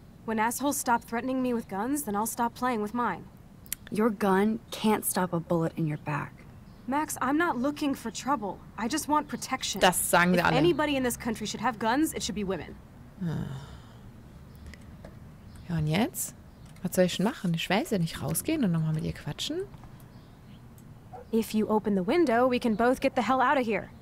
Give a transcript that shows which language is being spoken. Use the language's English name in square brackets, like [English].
[English] When assholes stop threatening me with guns, then I'll stop playing with mine. Your gun can't stop a bullet in your back. Max, I'm not looking for trouble. I just want protection. [German] Das sagen [English] If [German] alle. [English] Anybody in this country should have guns, it should be women. [German] Ja, und jetzt? Was soll ich denn machen? Ich weiß ja nicht, rausgehen und nochmal mit ihr quatschen? [English] If you open the window, we can both get the hell out of here.